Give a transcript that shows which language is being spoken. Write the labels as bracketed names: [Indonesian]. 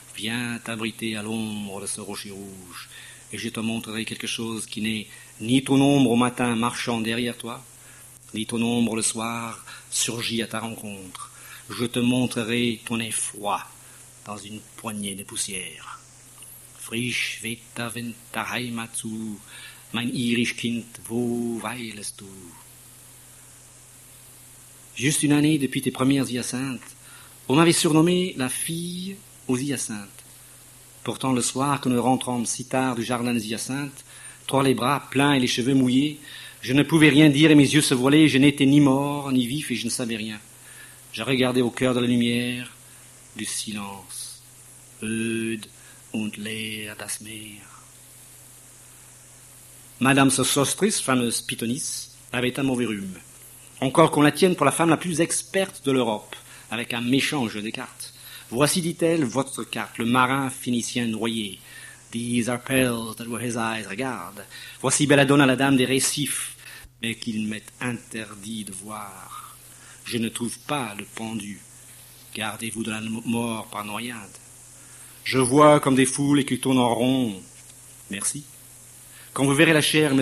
[French] Viens t'abriter à l'ombre de ce rocher rouge, et je te montrerai quelque chose qui n'est ni ton ombre au matin marchant derrière toi, ni ton ombre le soir surgit à ta rencontre. Je te montrerai ton effroi dans une poignée de poussière. [German] Frisch weht der Wind der Heimat zu, mein irisch Kind, wo weilest du? [French] Juste une année depuis tes premières hyacinthes, on m'avait surnommé la fille aux hyacinthes. Pourtant, le soir que nous rentrâmes si tard du jardin des hyacinthes, toi les bras pleins et les cheveux mouillés, je ne pouvais rien dire et mes yeux se voilaient, je n'étais ni mort, ni vif et je ne savais rien. Je regardais au cœur de la lumière, du silence, [German] öde und leer das Meer. [French] Madame Sosostris, fameuse pythonisse, avait un mauvais rhume. Encore qu'on la tienne pour la femme la plus experte de l'Europe, avec un méchant jeu des cartes. Voici, dit-elle, votre carte, le marin phénicien noyé. [English] These are pearls that were his eyes, [French] regarde. Voici Belladonna, la dame des récifs, mais qu'il m'est interdit de voir. Je ne trouve pas le pendu. Gardez-vous de la mort par noyade. Je vois comme des foules et qu'ils tournent en rond. Merci. Quand vous verrez la chère M.